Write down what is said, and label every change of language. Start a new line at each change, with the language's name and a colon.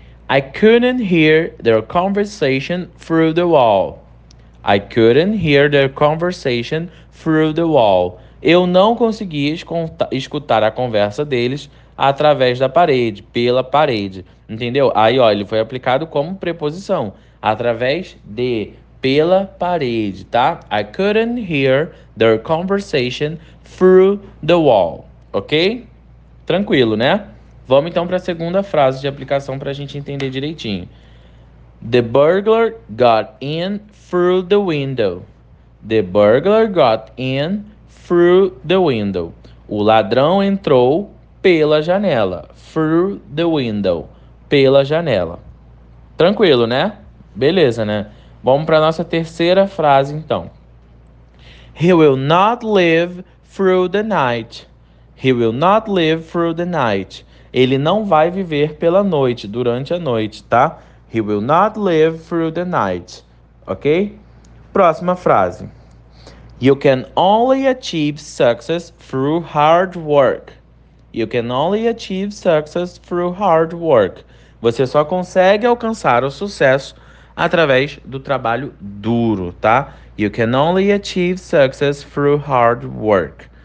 English: I couldn't hear their conversation through the wall. I couldn't hear their conversation through the wall.
Portuguese: Eu não consegui escutar a conversa deles através da parede, pela parede. Entendeu? Aí, ó, ele foi aplicado como preposição. Através de, pela parede, tá?
English: I couldn't hear their conversation through the wall.
Portuguese: Ok? Tranquilo, né? Vamos então para a segunda frase de aplicação para a gente entender direitinho.
English: The burglar got in through the window. The burglar got in through the window.
Portuguese: O ladrão entrou pela janela.
English: Through the window.
Portuguese: Pela janela. Tranquilo, né? Beleza, né? Vamos para a nossa terceira frase então.
English: He will not live through the night. He will not live through the night.
Portuguese: Ele não vai viver pela noite, durante a noite, tá?
English: He will not live through the night. Ok?
Portuguese: Próxima frase.
English: You can only achieve success through hard work. You can only achieve success through hard work.
Portuguese: Você só consegue alcançar o sucesso através do trabalho duro, tá?
English: You can only achieve success through hard work.